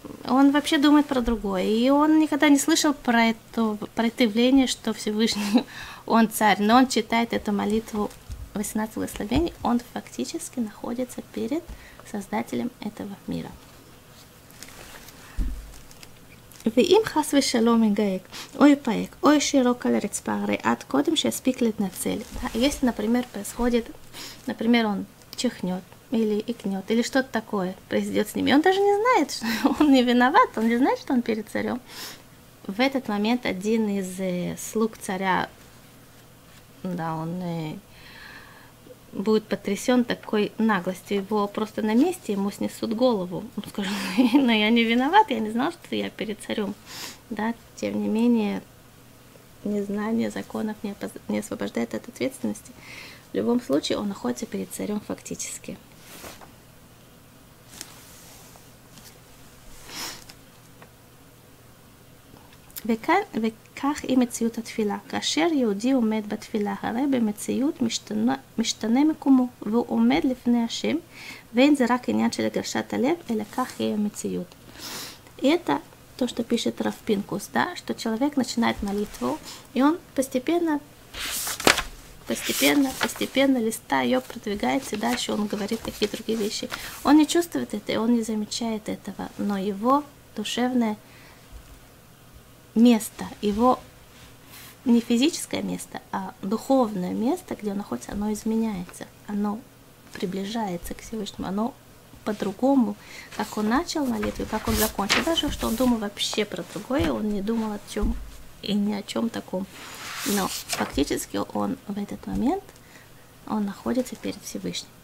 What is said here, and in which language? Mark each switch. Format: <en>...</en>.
<ru>Он вообще думает про другое, и он никогда не слышал про это явление, что Всевышний, он царь, но он читает эту молитву 18 благословений, он фактически находится перед создателем этого мира.</ru> <he>ואם חס ושלום יגאק, או יפאק, או ישירוק על הרצפה, הרי עד קודם שיספיק להתנצל.</he> <ru>Если, например, происходит, например, он чихнет, или икнет, или что-то такое произойдет с ним. И он даже не знает, что он не виноват, он не знает, что он перед царем. В этот момент один из слуг царя, да, он будет потрясен такой наглостью, его просто на месте, ему снесут голову. Он скажет, но я не виноват, я не знал, что я перед царем. Да, тем не менее, незнание законов не освобождает от ответственности. В любом случае, он находится перед царем фактически.</ru> <he>וכך היא מציאות התפילה. כאשר יהודי עומד בתפילה, הרי במציאות משתנה מקומו, והוא עומד לפני השם, ואין זה רק עניין של הגרשת הלב, אלא כך היא המציאות.</he> <ru>И это то, что пишет Рав Пинкус, да, что человек начинает молитву, и он постепенно листа ее продвигается, и дальше он говорит такие другие вещи. Он не чувствует это, и он не замечает этого, но его душевное место, его не физическое место, а духовное место, где он находится, оно изменяется, оно приближается к Всевышнему, оно по-другому, как он начал молитву, как он закончил, даже что он думал вообще про другое, он не думал о чем и ни о чем таком, но фактически он в этот момент, он находится перед Всевышним.</ru>